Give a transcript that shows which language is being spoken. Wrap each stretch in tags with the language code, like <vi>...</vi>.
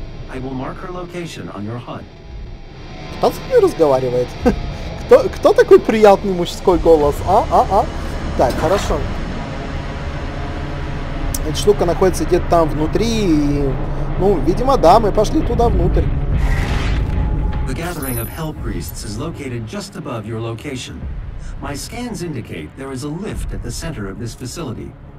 <en>I will mark her location on your HUD.</en> <ru>Кто с ней разговаривает? Кто такой приятный мужской голос? А-а-а. Так, хорошо. Эта штука находится где-то там внутри. И, ну, видимо, да, мы пошли туда внутрь.</ru> <en>The gathering of hell priests is located just above your location. My scans indicate there is a lift at the center of this facility.</en>